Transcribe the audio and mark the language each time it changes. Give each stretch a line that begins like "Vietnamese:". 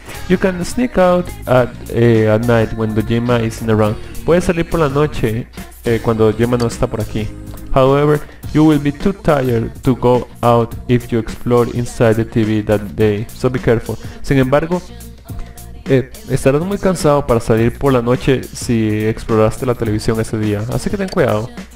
English: You can sneak out at night when Dojima isn't around.
Spanish: Puedes salir por la noche cuando Dojima no está por aquí.
English: However, you will be too tired to go out if you explore inside the TV that day, so be careful.
Spanish: Sin embargo, estarás muy cansado para salir por la noche si exploraste la televisión ese día, así que ten cuidado.